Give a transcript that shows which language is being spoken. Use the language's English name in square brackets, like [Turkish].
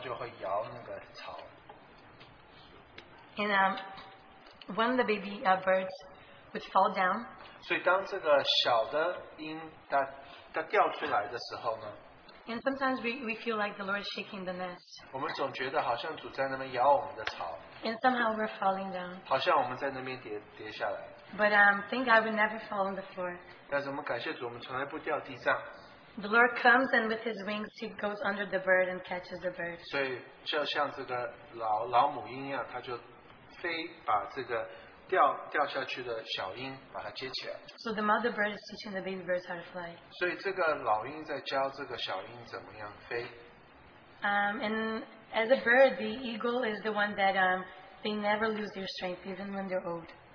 [Chinese] 就是有这个巢，这个老鹰把小鹰放在巢里，然后为了要这个小鹰长大，它就会摇那个巢。 [English] And one of the baby birds which fall down. [Chinese] 所以当这个小的音它掉出来的时候呢, [English] and sometimes we feel like the Lord is shaking the nest. [Chinese] 我们总觉得好像主在那边摇我们的草, [English] and somehow we're falling down. [Chinese] 好像我们在那边跌下来, [English] but thank God we never fall on the floor. [Chinese] 但是我们感谢主, [English] the Lord comes and with his wings he goes under the bird and catches the bird. [Chinese] 所以就像这个老母鹰一样, 它就飞把这个掉下去的小鹰, [English] so the mother bird is teaching the baby birds how to fly. [Chinese] 所以这个老鹰在教这个小鹰怎么样飞, [English] and as a bird, the eagle is the one that they never lose their strength even when they're old.